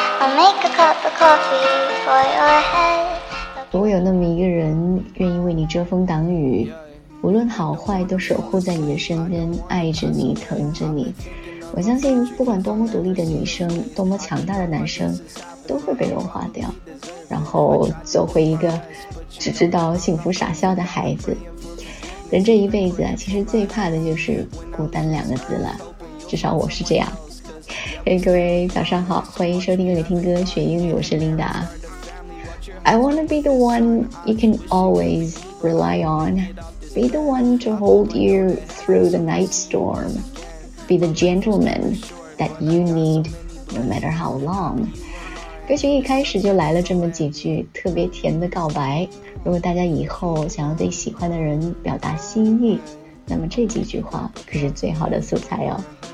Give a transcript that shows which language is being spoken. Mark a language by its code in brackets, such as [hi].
[en] I'll make a cup of coffee for your head. [zh] 如果有那么一个人愿意为你遮风挡雨，无论好坏都守护在你的身边，爱着你，疼着你，我相信不管多么独立的女生，多么强大的男生，都会被融化掉，然后做回一个只知道幸福傻笑的孩子。人这一辈子啊，其实最怕的就是孤单两个字了，至少我是这样。 hey, 各位早上好，欢迎收听又得听歌学英语，我是 Linda。 [en] I wanna be the one you can always rely on. Be the one to hold you through the night storm. Be the gentleman that you need no matter how long. [zh] 歌曲一开始就来了这么几句特别甜的告白，如果大家以后想要对喜欢的人表达心意，那么这几句话可是最好的素材哦。